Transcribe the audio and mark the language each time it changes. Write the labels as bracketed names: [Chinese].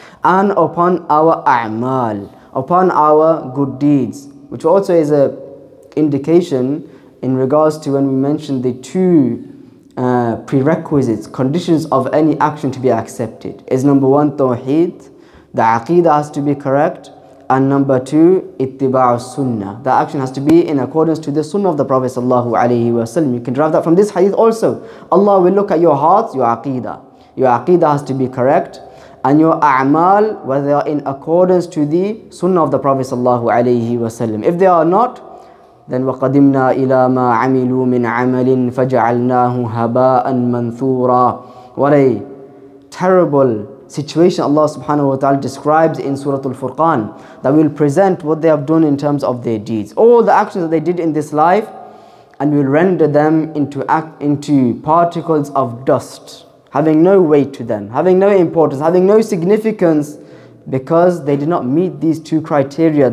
[English] And upon our a'mal, upon our good deeds, which also is an indication in regards to when we mentioned the two prerequisites, conditions of any action to be accepted, is number one, tawheed, the aqeedah has to be correct, and number two, ittiba' sunnah, the action has to be in accordance to the sunnah of the Prophet sallallahu alaihi wasallam. You can derive that from this hadith also. Allah will look at your heart, your aqeedah has to be correct, and your a'mal, whether they are in accordance to the sunnah of the Prophet sallallahu alaihi wasallam. If they are not, then [Arabic] وَقَدِمْنَا إِلَىٰ مَا عَمِلُوا مِنْ عَمَلٍ فَجَعَلْنَاهُ هَبَاءً مَنْثُورًا. [English] What a terrible situation Allah subhanahu wa ta'ala describes in Surah Al-Furqan, that we will present what they have done in terms of their deeds, all the actions that they did in this life, and we will render them into particles of dust, having no weight to them, having no importance, having no significance, because they did not meet these two criteria.